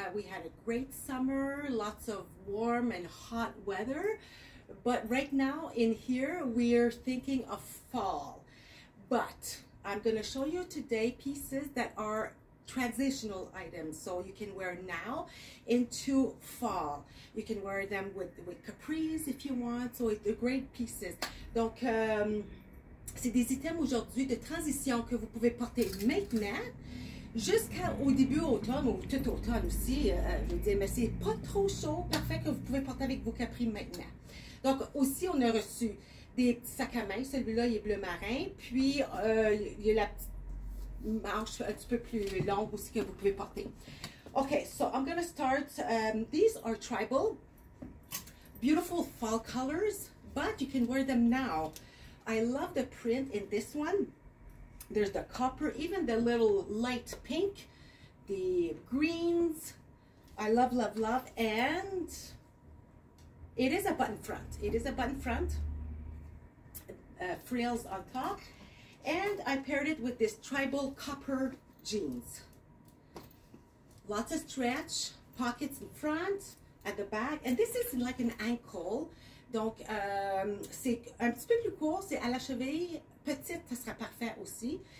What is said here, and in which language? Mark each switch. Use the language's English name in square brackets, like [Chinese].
[English] We had a great summer, lots of warm and hot weather, but right now in here we're thinking of fall. But I'm going to show you today pieces that are transitional items, so you can wear now into fall. You can wear them with capris if you want, so they're great pieces. [French] Donc, c'est des items aujourd'hui de transition que vous pouvez porter maintenant jusqu'au début automne ou tout automne aussi. Je veux dire, mais c'est pas trop chaud, parfait, que vous pouvez porter avec vos capris maintenant. Donc, aussi, on a reçu des petits sacs à main. Celui-là, il est bleu marin. Puis, il y a la petite marche un petit peu plus longue aussi que vous pouvez porter. [English] OK, so I'm going to start. These are tribal. Beautiful fall colors, but you can wear them now. I love the print in this one. There's the copper, even the little light pink, the greens. I love, love, love. And it is a button front. It is a button front. Frills on top. And I paired it with this tribal copper jeans. Lots of stretch, pockets in front, at the back. And this is like an ankle. [French] Donc, c'est un petit peu plus court, c'est à la cheville, petite, ça sera parfait aussi.